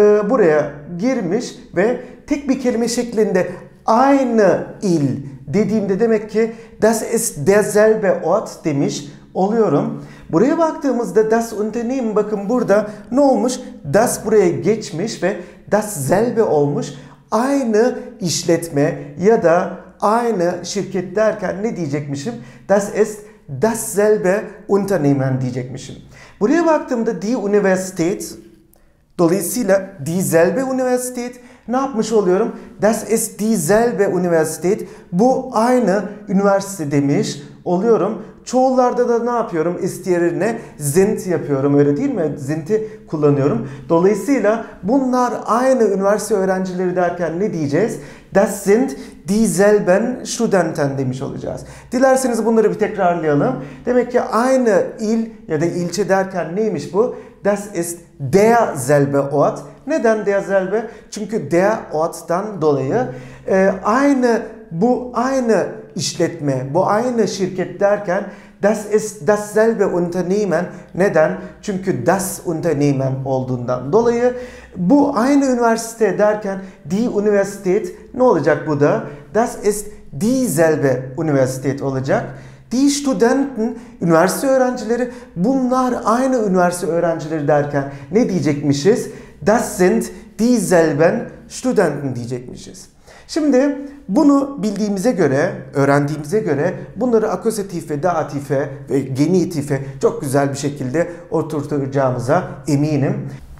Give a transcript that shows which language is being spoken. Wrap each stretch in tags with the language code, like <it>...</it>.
<tr>Buraya girmiş ve tek bir kelime şeklinde aynı il dediğimde demek ki</tr> <de>das ist der selbe Ort</de> <tr>demiş oluyorum. Buraya baktığımızda das Unternehmen, bakın burada ne olmuş? Das buraya geçmiş ve das selbe olmuş. Aynı işletme ya da aynı şirket derken ne diyecekmişim?</tr> <de>Das ist das selbe Unternehmen</de> <tr>diyecekmişim. Buraya baktığımda die Universität, dolayısıyla</tr> <de>die selbe Universität,</de> <tr>ne yapmış oluyorum?</tr> <de>Das ist die selbe Universität,</de> <tr>bu aynı üniversite demiş oluyorum. Çoğullarda da ne yapıyorum? Ist yerine sind yapıyorum, öyle değil mi? Sind'i kullanıyorum. Dolayısıyla bunlar aynı üniversite öğrencileri derken ne diyeceğiz?</tr> <de>Das sind die selben Studenten</de> <tr>demiş olacağız. Dilerseniz bunları bir tekrarlayalım. Demek ki aynı il ya da ilçe derken neymiş bu?</tr> <de>Das ist der selbe Ort.</de> <tr>Neden</tr> <de>der selbe?</de> <tr>Çünkü der Ort'tan dolayı aynı, bu aynı işletme, bu aynı şirket derken</tr> <de>das ist das selbe Unternehmen.</de> <tr>Neden? Çünkü das Unternehmen olduğundan dolayı. Bu aynı üniversite derken die Universität, ne olacak bu da?</tr> <de>Das ist die selbe Universität</de> <tr>olacak. Die Studenten, üniversite öğrencileri, bunlar aynı üniversite öğrencileri derken ne diyecekmişiz?</tr> <de>Das sind die selben Studenten</de> <tr>diyecekmişiz. Şimdi bunu bildiğimize göre, öğrendiğimize göre bunları akusatife, datife ve genitife çok güzel bir şekilde oturtacağımıza eminim.</tr>